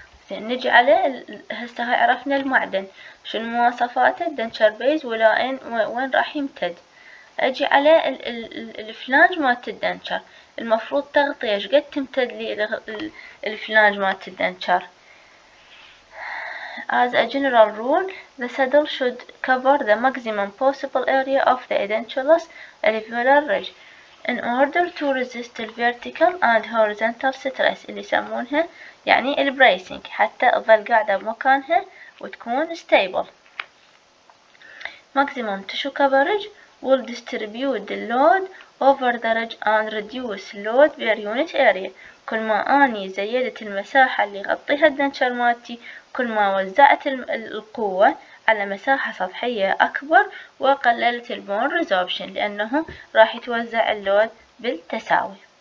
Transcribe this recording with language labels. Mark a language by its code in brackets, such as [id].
[ar] زين نجي على هسه هاي عرفنا المعدن شنو مواصفاته، دنتشر بيز ولاين وين راح يمتد، اجي على الفلانج مالت الدنتشر المفروض تغطية ايش قد تمتد لي الفلانج مالت الدنتشر. [en] As a general rule, the saddle should cover the maximum possible area of the edentulous alveolar ridge in order to resist the vertical and horizontal stress [ar] اللي يسمونها يعني البريسنج، حتى تظل قاعدة بمكانها وتكون ستيبل. [en] Maximum tissue coverage will distribute the load over the ridge and reduce load per unit area، [ar] كل ما اني زيدت المساحة اللي يغطيها الدنتشر مالتي كل ما وزعت القوة على مساحة سطحية اكبر وقللت البون ريزوربشن لانه راح يتوزع اللود بالتساوي.